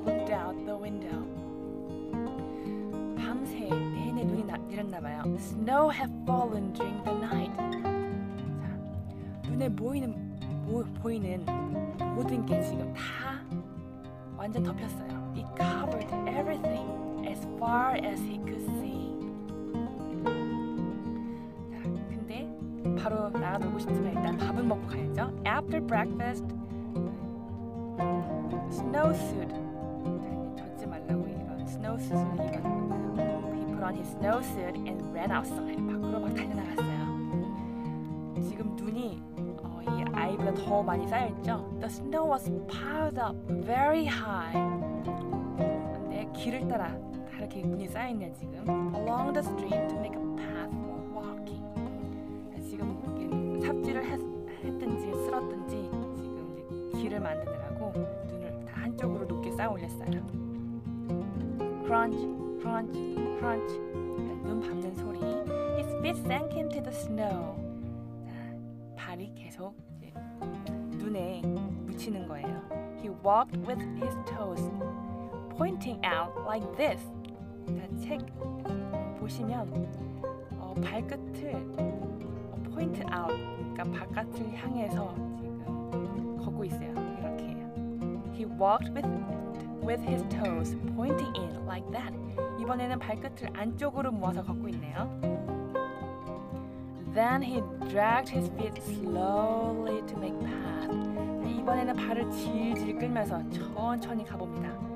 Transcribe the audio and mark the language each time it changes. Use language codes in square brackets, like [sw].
[en] Looked out the window. [ko] 밤새 내내 눈이 내렸나 봐요. [en] Snow had fallen during the night. [ko] 자, 눈에 보이는 모든 게 지금 다 완전 덮였어요. [en] It covered everything as far as he could see. [ko] 자, 근데 바로 나가보고 싶지만 일단 밥은 먹고 가야죠. [en] After breakfast, snowsuit. [ko] 자, 젖지 말라고 이런 snowsuit을 입었는데요. [en] He put on his snowsuit and ran outside. [ko] 밖으로 막 달려나갔어요. 지금 눈이 이 아이보다 더 많이 쌓여있죠? [en] The snow was piled up very high. [ko] 근데 길을 따라 다 이렇게 눈이 쌓여있네요, 지금. [en] Along the street to make a path for walking. [ko] 지금 이렇게 삽질을 했든지 쓸었든지 지금 이제 길을 만드느라고 눈을 다 한쪽으로 높게 쌓아올렸어요. [en] Crunch, crunch, crunch. [ko] 눈 밟는 소리. [en] His feet sank into the snow. [ko] 발이 계속 이제 눈에 묻히는 거예요. [en] He walked with his toes pointing out like this. [ko] 자, 책 보시면 발끝을 point out, 그러니까 바깥을 향해서 지금 걷고 있어요. 이렇게. [en] He walked with his toes pointing in like that. [ko] 이번에는 발끝을 안쪽으로 모아서 걷고 있네요. [en] Then he dragged his feet slowly to make path. [ko] 이번에는 발을 질질 끌면서 천천히 가봅니다.